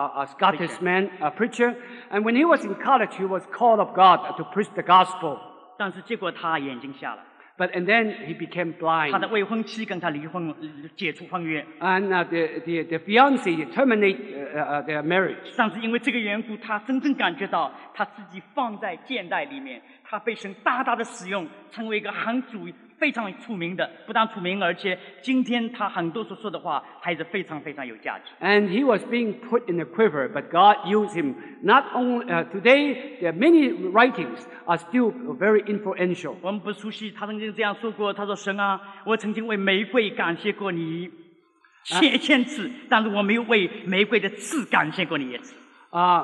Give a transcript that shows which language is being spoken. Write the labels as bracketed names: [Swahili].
[English] Scottish man, a preacher. And when he was in college, he was called of God to preach the gospel. [Chinese] 但是结果他眼睛瞎了。 [English] But and then he became blind. [Chinese] 他的未婚妻跟他离婚，解除婚约。 [English] And the fiance terminate their marriage. [Chinese] 上次因为这个缘故，他真正感觉到他自己放在箭袋里面，他被神大大的使用，成为一个很主非常出名的，不但出名，而且今天他很多所说的话还是非常非常有价值。 [English] And he was being put in a quiver, but God used him. Not only today, there are many writings are still very influential. [Chinese] 我们不熟悉，他曾经这样说过：“他说，神啊，我曾经为玫瑰感谢过你千千次，但是我没有为玫瑰的刺感谢过你一次。”